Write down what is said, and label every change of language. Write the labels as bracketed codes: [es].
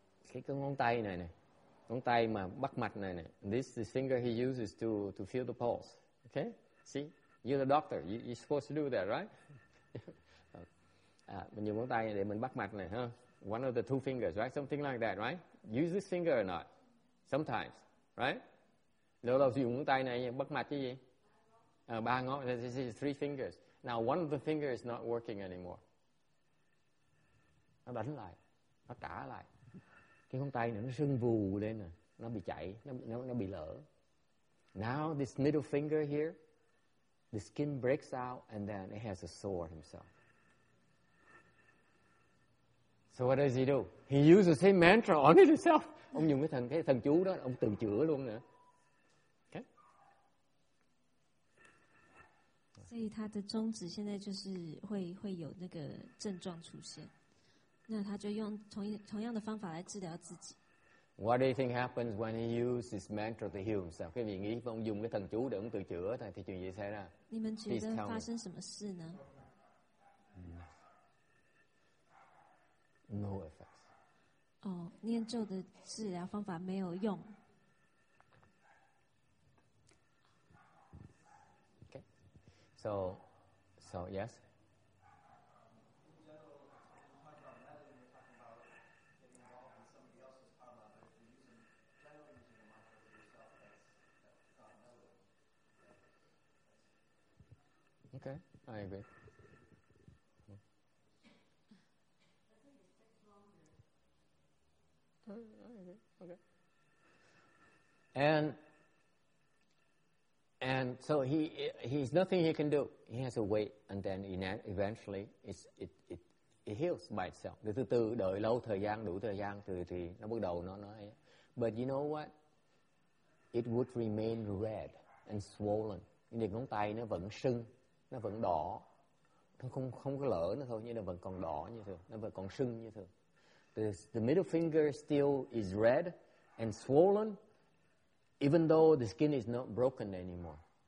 [vi] Cái ngón tay này này, ngón tay mà bắt mạch này này. [en] This is the finger he uses to feel the pulse. Okay, see, you're the doctor. You're supposed to do that, right? [vi] mình dùng ngón tay để mình bắt mạch này, huh? [en] One of the two fingers, right? Something like that, right? Use this finger or not? Sometimes, right? [vi] Lâu lâu dùng ngón tay này bắt mạch chứ gì? Ba ngón, [en] this is three fingers. Now one of the fingers is not working anymore. [vi] Nó đánh lại, nó trả lại. Cái ngón tay này nó sưng vù lên à, nó bị chảy, nó bị lở. [en] Now this middle finger here, the skin breaks out and then it has a sore himself. So what does he do? He uses the same mantra on it himself. [vi] Ông dùng cái thần chú đó, ông tự chữa luôn nữa. [en] Okay. [zh] 所以他的中指现在就是会有那个症状出现。那他就用同样的方法来治疗自己。 [en] What do you think happens when he uses his mantra to heal himself? [zh] 可以你一方用个藤竹等等去折腾，这就也才呢。你们觉得发生什么事呢？ [en] No effects. [zh] 哦，念咒的治疗方法没有用。 [en] Okay. So yes. Okay, I agree. Okay. And so he's nothing he can do. He has to wait, and then eventually it heals by itself. [vi] Từ từ đợi lâu thời gian đủ thời gian thì nó bắt đầu nó ấy. [en] But you know what? It would remain red and swollen. [vi] Nhưng ngón tay nó vẫn sưng. Nó vẫn đỏ, nó không có lỡ nữa thôi, nhưng nó vẫn còn đỏ như thường, nó vẫn còn sưng như thường. [en] The middle finger still is red and swollen, even though the skin is not broken anymore.